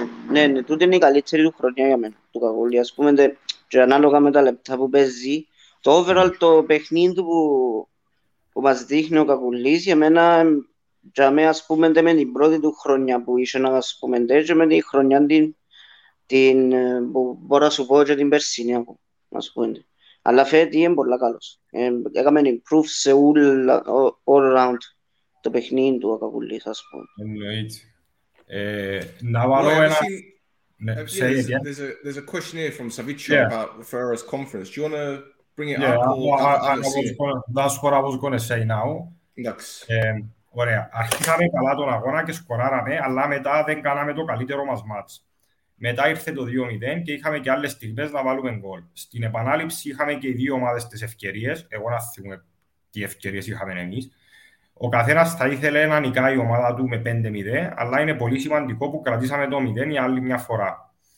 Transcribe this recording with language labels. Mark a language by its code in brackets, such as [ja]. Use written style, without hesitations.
[el] Ναι, τούτη είναι η καλύτερη του χρονιά για μένα, του Κακουλή. Ας πούμε, και ανάλογα με τα λεπτά που παίζει, το overall το παιχνίδι που μας δείχνει ο Κακουλής, για μένα για μένα, ας πούμε, με την πρώτη του χρονιά που είσαι να ας πούμε, και με την χρονιά την που μπορώ να σου πω και την περσίνη, ας πούμε. Αλλά φέτος είναι πολύ καλός. Έκαμε [en] improve [el] σε [en] all around [el] το παιχνίδι του ο Κακουλής, ας πούμε. Εννοείται. Να βάλω ένα... [en] There's a question here from Savicio about the Ferraris conference. Do you want to bring it That's what I was going to say now. [el] Ωραία. Αρχίσαμε καλά τον αγώνα και σκοράραμε, αλλά μετά δεν κάναμε το καλύτερο μας μάτς. Μετά ήρθε το 2-0 και είχαμε και άλλες στιγμές να βάλουμε γκολ. Στην επανάληψη είχαμε και οι δύο ομάδες τις ευκαιρίες. Εγώ να θυμούμε τι ευκαιρίες είχαμε εμείς. Ο καθένας θα ήθελε να νικάει η ομάδα του με 5-0, αλλά είναι πολύ σημαντικό που κρατήσαμε το 0 για άλλη μια φορά.